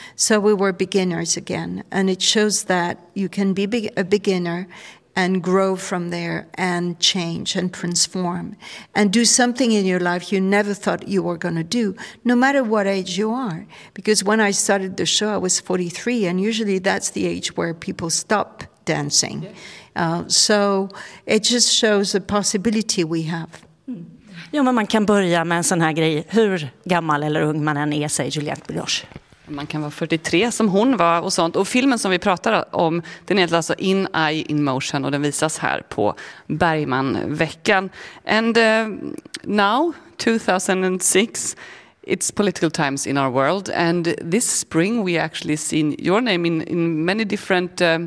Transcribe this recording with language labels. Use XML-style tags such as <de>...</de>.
<en>So we were beginners again, and it shows that you can be a beginner and grow from there and change and transform and do something in your life you never thought you were going to do, no matter what age you are. Because when I started the show, I was 43, and usually that's the age where people stop dancing. Yeah. So it just shows a possibility we have. Mm.</en> <sv>Ja, men man kan börja med en sån här grej, hur gammal eller ung man än är, säger Juliette Binoche. Man kan vara 43 som hon var och sånt. Och filmen som vi pratar om, den heter alltså In Eye In Motion, och den visas här på Bergmanveckan.</sv> <en>And now, 2006, it's political times in our world. And this spring we actually seen your name in many different</en>